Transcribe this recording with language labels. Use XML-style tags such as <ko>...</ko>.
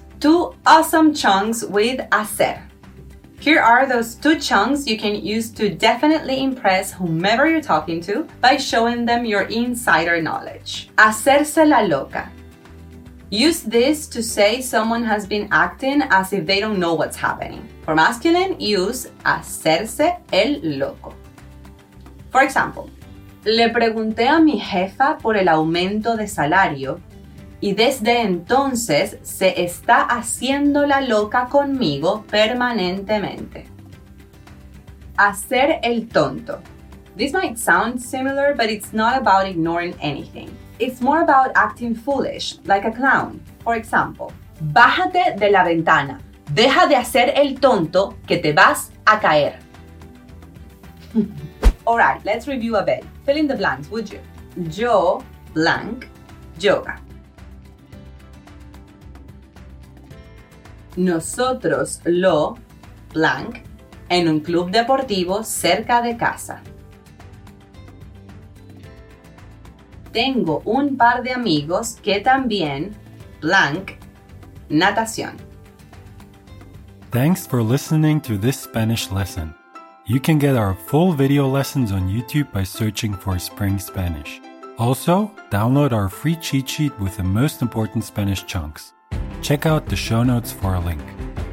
<en>Two awesome chunks with hacer. Here are those two chunks you can use to definitely impress whomever you're talking to by showing them your insider knowledge.</en> <es>Hacerse la loca.</es> <en>Use this to say someone has been acting as if they don't know what's happening. For masculine, use</en> <es>hacerse el loco.</es> <en>For example,</en> <es>le pregunté a mi jefa por el aumento de salario y desde entonces se está haciendo la loca conmigo permanentemente. Hacer el tonto.</es> <en>This might sound similar, but it's not about ignoring anything. It's more about acting foolish, like a clown. For example,</en> <es>bájate de la ventana. Deja de hacer el tonto que te vas a caer.</es> <en>Alright, let's review a bit. Fill in the blanks, would you?</en> <es>Yo, blank, yoga. Nosotros lo, blank, en un club deportivo cerca de casa. Tengo un par de amigos que también, blank, natación.</es> <en>Thanks for listening to this Spanish lesson. You can get our full video lessons on YouTube by searching for Spring Spanish. Also, download our free cheat sheet with the most important Spanish chunks. Check out the show notes for a link.</en>